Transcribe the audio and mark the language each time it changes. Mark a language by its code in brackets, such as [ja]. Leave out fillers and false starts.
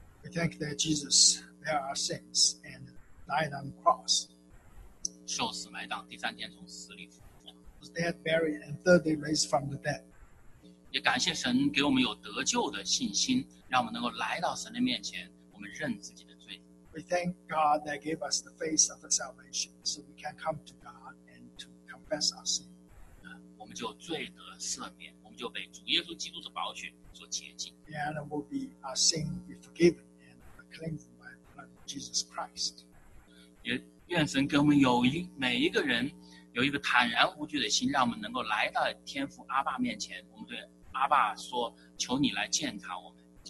[en] We thank that Jesus bear our sins and died on the cross. [zh] 受死埋葬，第三天从死里复活。 [en] Was dead, buried, and third day raised from the dead. [zh] 也感谢神给我们有得救的信心，让我们能够来到神的面前，我们认自己的。 [en] We thank God that gave us the face of the salvation so we can come to God and to confess our sin. [zh] 我们就罪得赦免，我们就被主耶稣基督的宝血所洁净。 [en] And we'll be our sin be forgiven and cleansed by the blood of Jesus Christ. [zh] 也愿神给我们有一每一个人有一个坦然无惧的心，让我们能够来到天父阿爸面前，我们对阿爸说，求你来鉴察我们。